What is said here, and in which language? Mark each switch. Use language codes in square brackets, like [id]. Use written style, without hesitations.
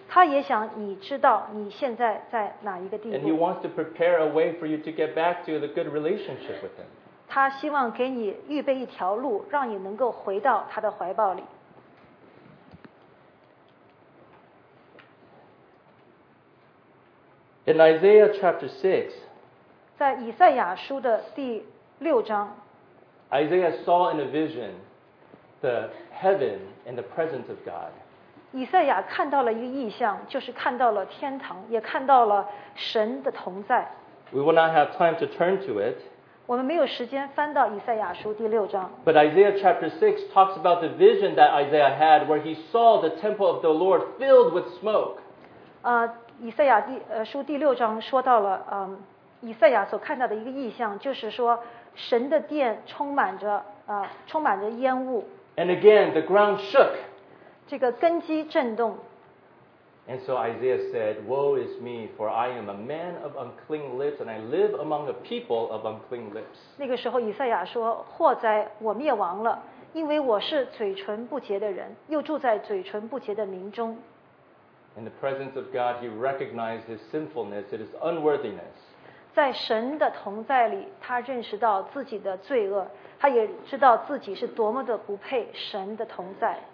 [zh] 他也想你知道你现在在哪一个地步。 [en] And he wants to prepare a way for you to get back to the good relationship with him. [zh] 他希望给你预备一条路，让你能够回到他的怀抱里。 [en] In Isaiah chapter 6, [zh] 在以赛亚书的第六章， [en] Isaiah saw in a vision the heaven and the presence of God. [zh] 以赛亚看到了一个异象，就是看到了天堂，也看到了神的同在。 [en] We will not have time to turn to it. [zh] 我们没有时间翻到以赛亚书第六章。 [en] But Isaiah chapter 6 talks about the vision that Isaiah had where he saw the temple of the Lord filled with smoke. [zh] 以赛亚书第六章说到了以赛亚所看到的一个异象，就是说神的殿充满着烟雾。 [en] And again, the ground shook. [zh] 这个根基震动。 [en] And so Isaiah said, "Woe is me, for I am a man of unclean lips, and I live among a people of unclean lips." [zh] 那个时候，以赛亚说：“祸哉，我灭亡了，因为我是嘴唇不洁的人，又住在嘴唇不洁的民中。” [en] In the presence of God, he recognized his sinfulness, his unworthiness. [zh] 在神的同在里，他认识到自己的罪恶，他也知道自己是多么的不配神的同在。